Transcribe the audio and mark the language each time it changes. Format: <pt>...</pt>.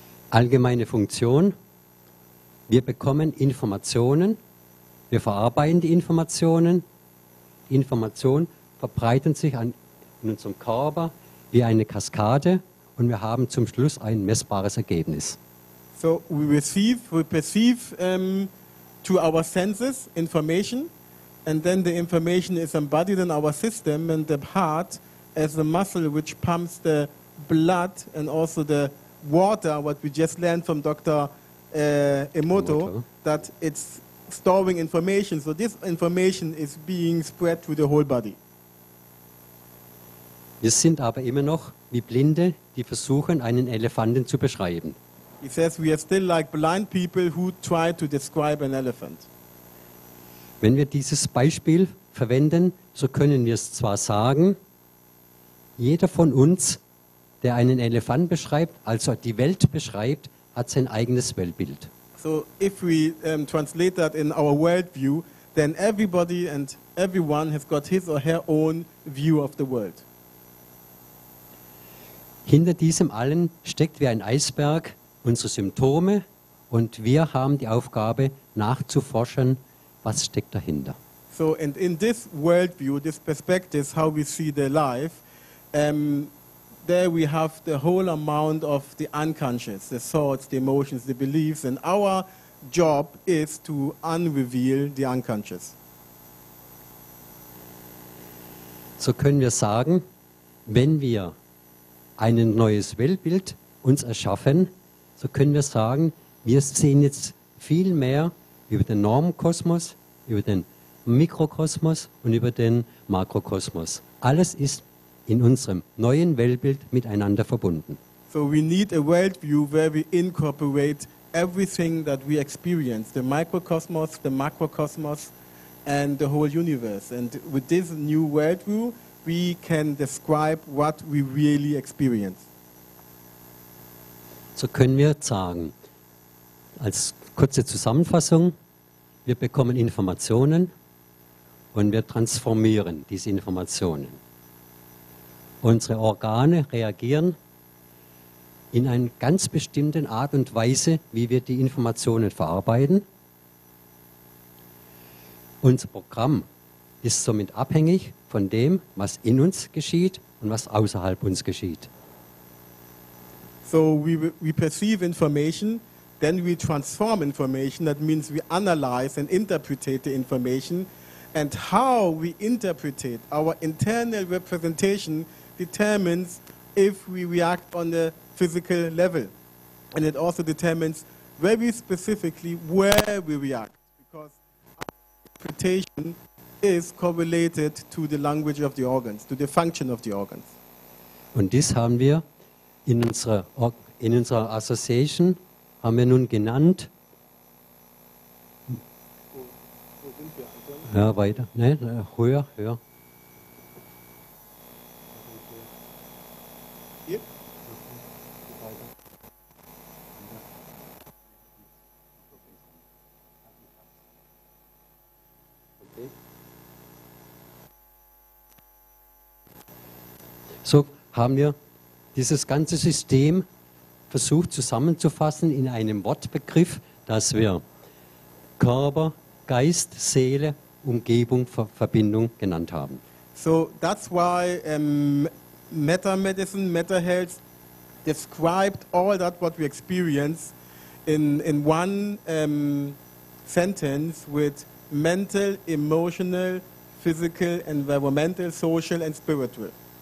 <de>Allgemeine Funktion. Wir bekommen Informationen. Wir verarbeiten die Informationen. Informationen verbreiten sich in unserem Körper wie eine Kaskade. Und wir haben zum Schluss ein messbares Ergebnis.</de> <en>So we perceive to our senses information, and then the information is embodied in our system, and the heart as the muscle which pumps the blood and also the water, what we just learned from Dr. Emoto, that it's storing information. So this information is being spread through the whole body.</en> <de>Wir sind aber immer noch wie Blinde, die versuchen, einen Elefanten zu beschreiben.</de> <en>He says we are still like blind people who try to describe an elephant.</en> <de>Wenn wir dieses Beispiel verwenden, so können wir es zwar sagen, jeder von uns, der einen Elefant beschreibt, also die Welt beschreibt, hat sein eigenes Weltbild.</de> <en>So if we translate that in our worldview, then everybody and everyone has got his or her own view of the world.</en> <de>Hinter diesem allen steckt wie ein Eisberg unsere Symptome und wir haben die Aufgabe nachzuforschen, was steckt dahinter.</de> <en>So, and in this worldview, this perspective, how we see the life, there we have the whole amount of the unconscious, the thoughts, the emotions, the beliefs, and our job is to unreveal the unconscious.</en> <de>So können wir sagen, wenn wir ein neues Weltbild uns erschaffen, so können wir sagen, wir sehen jetzt viel mehr über den Normkosmos, über den Mikrokosmos und über den Makrokosmos. Alles ist in unserem neuen Weltbild miteinander verbunden.</de> <en>So we need a worldview where we incorporate everything that we experience, the microcosmos, the macrocosmos and the whole universe. And with this new worldview, we can describe what we really experience.</en> <de>So können wir sagen, als kurze Zusammenfassung, wir bekommen Informationen und wir transformieren diese Informationen. Unsere Organe reagieren in einer ganz bestimmten Art und Weise, wie wir die Informationen verarbeiten. Unser Programm ist somit abhängig von dem, was in uns geschieht und was außerhalb uns geschieht.</de> <en>So we perceive information, then we transform information, that means we analyze and interpret the information, and how we interpret it, our internal representation determines if we react on the physical level. And it also determines very specifically where we react, because our interpretation is correlated to the language of the organs, to the function of the organs.</en> <de>Und dies haben wir in unserer Association haben wir nun genannt. Wo sind wir? Ja, weiter. Nee, höher. Okay. So haben wir dieses ganze System versucht zusammenzufassen in einem Wortbegriff, dass wir Körper, Geist, Seele, Umgebung, Verbindung genannt haben.</de> <en>So that's why Meta-Medicine, Meta-Health described all that what we experience in one sentence with mental, emotional, physical, environmental, social and spiritual.</en>